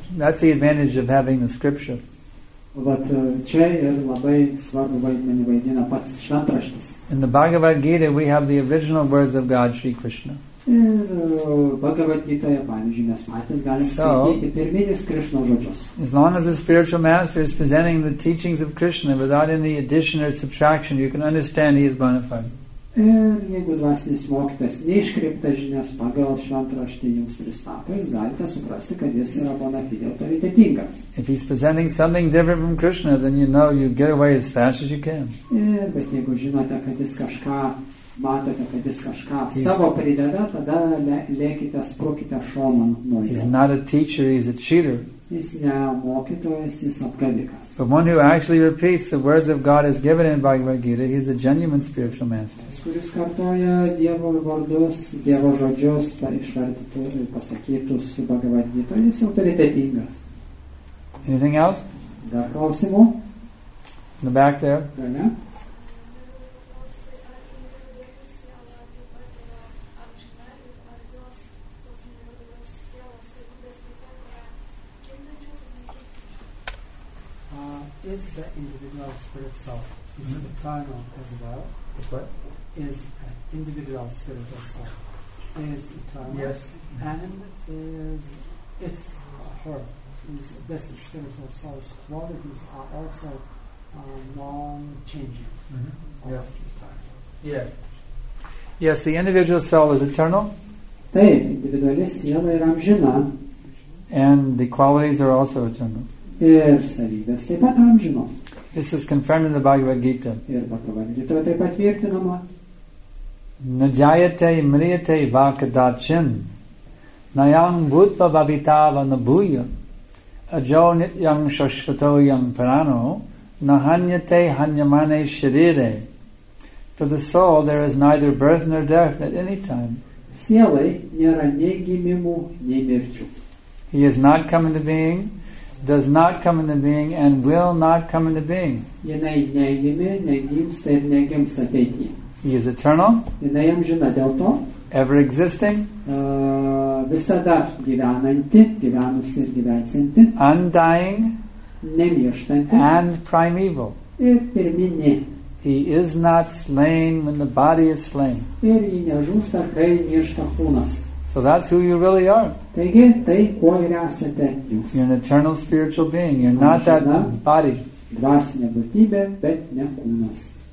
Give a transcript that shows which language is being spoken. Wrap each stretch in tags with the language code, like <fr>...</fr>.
<en>That's the advantage of having the scripture. In the Bhagavad Gita, we have the original words of God, Sri Krishna. So, as long as the spiritual master is presenting the teachings of Krishna without any addition or subtraction, you can understand he is bona fide.</en> <lt>Ir jeigu dvasinis mokytas neiškreiptas žinias pagal šventraštį jums pristato, jūs galite suprasti, kad jis yra bona fide autoritetingas.</lt> <en>If he's presenting something different from Krishna, then you know you get away as fast as you can.</en> <lt>Bet jeigu žinote, kad jis kažką matote, kad jis kažką savo prideda, tada lėkite, sprukite šoną nuo jo.</lt> <en>He's not a teacher, he's a cheater.</en> <lt>Jis ne mokytojas, jis apgavikas.</lt> <en>But one who actually repeats the words of God as given in Bhagavad Gita, he is a genuine spiritual master.</en> <lt>Kuris kartoja Dievo vardus, Dievo žodžius, išvardytų ir pasakytus Bhagavad Gita, jis autoritetingas.</lt> <en>Anything else?</en> <lt>Dar klausimų?</lt> <en>In the back there?</en> <lt>Gale.</lt> <en>Is the individual spirit self, is it a eternal as well? What? Is an individual spirit of self, is eternal. Yes. And is its her, is this spiritual soul's qualities are also non-changing. Mm-hmm. Yes. Yeah. Yes, the individual soul is eternal.</en> <lt>Taip, individualis siela yra amžina.</lt> <en>And the qualities are also eternal.</en> <lt>Ir savybės taip pat amžinos.</lt> <en>This is confirmed in the Bhagavad Gita.</en> <lt>Ir Bhagavad Gita taip pat tvirtinama.</lt> <sa>Najayate mriyate va kadachin nayam bhutva bhavitava nabhuya ajo nityam shashvato yam prano nahanyate hanyamane sharire.</sa> <en>For the soul there is neither birth nor death at any time.</en> <lt>Sielai nėra nei gimimų, nei mirčių.</lt> <en>He is not come into being, does not come into being, and will not come into being. He is eternal, ever existing,</en> <lt>visada gyvenanti, gyvenusi ir gyvensinti,</lt> <en>undying,</en> <lt>nemirštanti,</lt> <en>and primeval.</en> <lt>Ir pirminė.</lt> <en>He is not slain when the body is slain.</en> <lt>Ir jį nežūsta, kai miršta kūnas.</lt> <en>So that's who you really are.</en> <lt>Taigi, tai, kuo ir esate jūs.</lt> <en>You're an eternal spiritual being. You're not that body.</en> <lt>Dvasinė būtybė, bet ne kūnas.</lt>